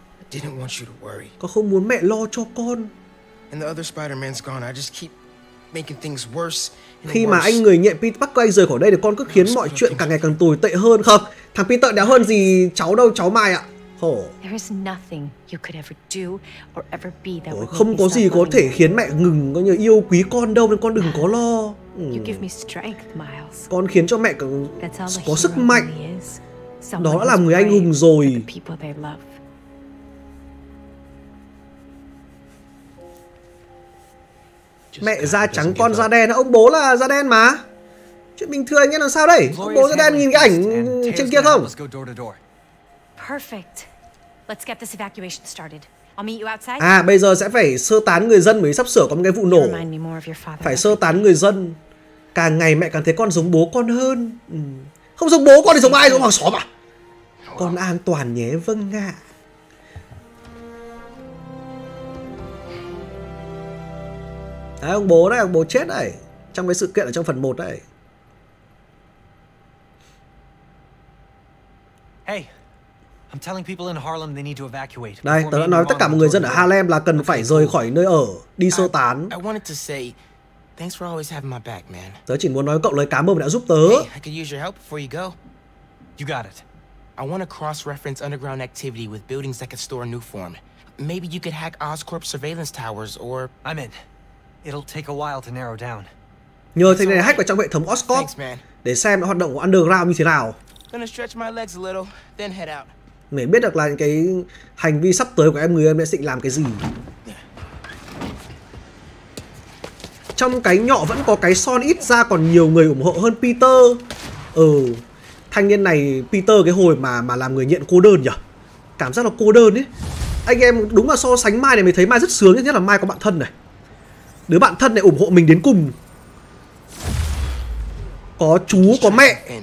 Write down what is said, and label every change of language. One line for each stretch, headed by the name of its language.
English: didn't want you to worry.
Vietnamese: Con không muốn mẹ lo cho con.
English: And the other Spider-Man's gone. I just keep making things worse.
Vietnamese: Khi mà anh người nhện Peter Parker anh rời khỏi đây thì con cứ khiến mọi chuyện càng ngày càng tồi tệ hơn. Không, thằng Peter đéo hơn gì cháu đâu, cháu mày ạ. Khổ.
English: There is nothing you could ever do or ever be that would.
Vietnamese: Không có gì có thể khiến mẹ ngừng coi như yêu quý con đâu, nên con đừng có lo.
English: You give me strength, Miles.
Vietnamese: Con khiến cho mẹ có sức mạnh. Đó là người anh hùng rồi. Mẹ da trắng con da đen, ông bố là da đen mà. Chuyện bình thường nhé, làm sao đây? Ông bố da đen nhìn cái ảnh trên kia không?
English: Perfect. Let's get this evacuation started. I'll meet you outside.
Vietnamese: À, bây giờ sẽ phải sơ tán người dân mới sắp sửa có một cái vụ nổ. Phải sơ tán người dân. Càng ngày mẹ càng thấy con giống bố con hơn. Không giống bố con thì giống ai, giống hàng xóm à? Con an toàn nhé, vâng ạ. Đấy, ông bố đấy, ông bố chết đấy. Trong cái sự kiện ở trong phần 1 đấy.
English: Hey, I'm telling people in Harlem they need to evacuate.
Vietnamese: Đây, tớ đã nói tất cả mọi người dân ở Harlem là cần phải rời khỏi nơi ở, đi sơ tán.
English: I wanted to say thanks for always having my back, man.
Vietnamese: Tớ chỉ muốn nói cậu lời cảm ơn vì đã giúp tớ.
English: Hey, I could use your help before you go. You got it. I want to cross-reference underground activity with buildings that could store a new form. Maybe you could hack Oscorp surveillance towers or I'm in. It'll take a while to narrow down.
Vietnamese: Nhờ thằng này hack vào trong hệ thống Oscorp để xem nó hoạt động của underground như thế nào.
English: Gonna stretch my legs a little, then head out.
Vietnamese: Mày biết được là những cái hành vi sắp tới của em người em sẽ định làm cái gì. Trong cái nhỏ vẫn có cái son, ít ra còn nhiều người ủng hộ hơn Peter. Ừ, thanh niên này Peter cái hồi mà làm người nhện cô đơn nhỉ, cảm giác là cô đơn ấy. Anh em đúng là so sánh Mai này mày thấy Mai rất sướng, nhất là Mai có bạn thân này, đứa bạn thân này ủng hộ mình đến cùng, có chú có mẹ.